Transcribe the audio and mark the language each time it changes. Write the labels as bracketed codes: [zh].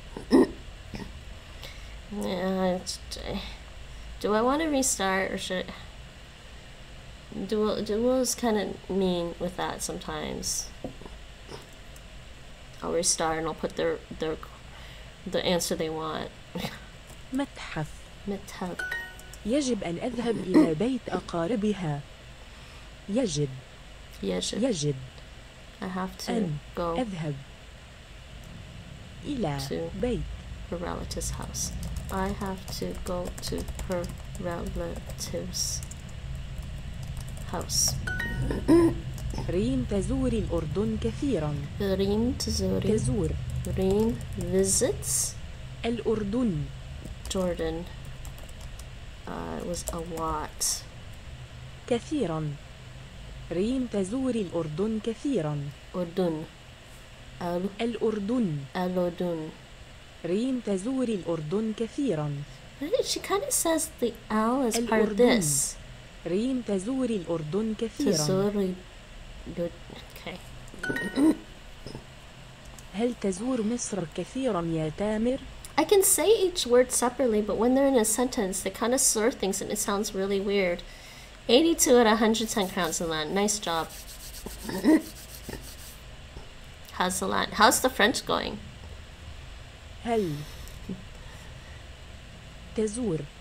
[en] Do I want to restart or should I? Duel is kind of mean with that sometimes. I'll restart and I'll put the answer they want. [ar] متحف متحف. يجب أن أذهب إلى بيت أقاربها. يجب يجب. يجب [en] I have to [ar] أن [en] go [ar] أذهب إلى [en] to [ar] بيت [en] her relative's house. I have to go to her relative's house. [ar] ريم تزور الأردن كثيراً. ريم تزوري. تزور. [en] ريم visits [ar] الأردن. [en] Jordan. It was a lot. [ar] كثيراً. ريم تزور الأردن كثيراً. أردن. الأردن. الأردن. ريم تزور الأردن كثيراً. [en] She kind of says the L is part of [ar] الأردن. [en] this. [ar] ريم تزور الأردن كثيراً. [en] تزوري. Good. Okay. [ar] هل تزور مصر كثيراً يا تامر؟ [en] I can say each word separately, but when they're in a sentence, they kind of slur things and it sounds really weird. 82 out of 110 crowns in Latin. Nice job. How's the Latin? How's the French going? [ar] هل تزور